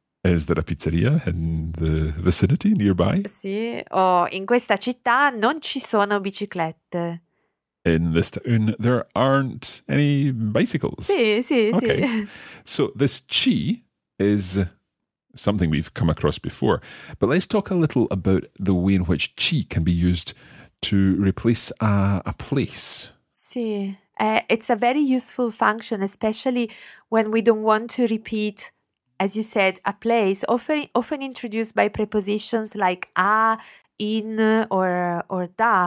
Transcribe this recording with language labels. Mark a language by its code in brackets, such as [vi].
[en] Is there a pizzeria in the vicinity, nearby? [it] Sì, oh, in questa città non ci sono biciclette. [en] In this town, there aren't any bicycles. [it] Sì. [en] So this ci is something we've come across before. But let's talk a little about the way in which ci can be used to replace a place. [it] Sì. [en] It's a very useful function, especially when we don't want to repeat, as you said, a place, often introduced by prepositions like a, in, or da.